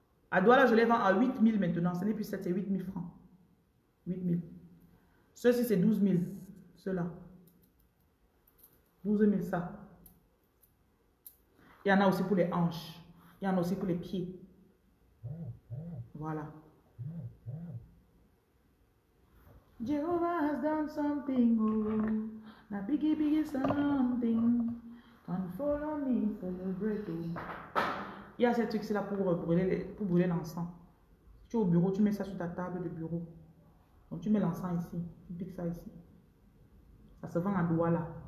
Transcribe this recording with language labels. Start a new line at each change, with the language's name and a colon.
French: À Douala, je les vends à 8 000 maintenant. Ce n'est plus 7, c'est 8 000 francs. 8 000. Ceux-ci, c'est 12 000. Ceux-là. 12 000, ça. Il y en a aussi pour les hanches. Il y en a aussi pour les pieds. Voilà.
English: Jehovah has done something. Oh, now biggie, biggie, something. Come follow me, celebrate.
French: Il y a ces trucs-là pour brûler l'encens. Tu es au bureau, tu mets ça sur ta table de bureau. Donc tu mets l'encens ici, tu piques ça ici. Ça se vend à Douala.